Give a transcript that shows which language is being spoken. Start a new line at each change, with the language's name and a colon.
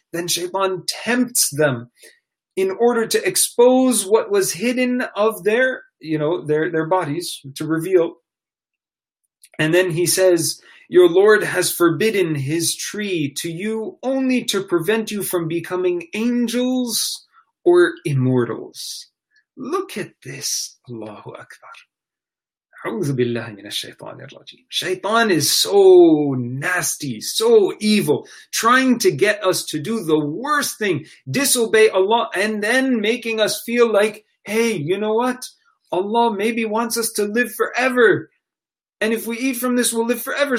English: Then shaitan tempts them in order to expose what was hidden of their, you know, their bodies, to reveal. And then he says, your Lord has forbidden his tree to you only to prevent you from becoming angels or immortals. Look at this. Allahu Akbar.
Arabic: أعوذ بالله من الشيطان الرجيم.
English: Shaitan is so nasty, so evil, trying to get us to do the worst thing, disobey Allah, and then making us feel like, hey, you know what? Allah maybe wants us to live forever. And if we eat from this, we'll live forever.